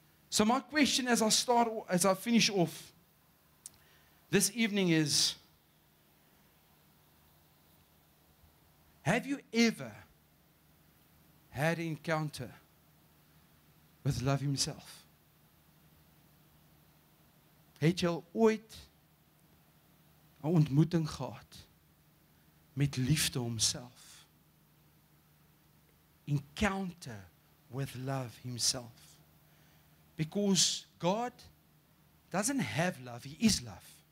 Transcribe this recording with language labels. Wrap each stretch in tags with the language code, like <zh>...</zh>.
<en>So my question as I finish off this evening is, have you ever had an encounter with love himself?</en> <af>Het jy ooit 'n ontmoeting gehad met liefde homself?</af> <en>Encounter with love himself. Because God doesn't have love, he is love.</en>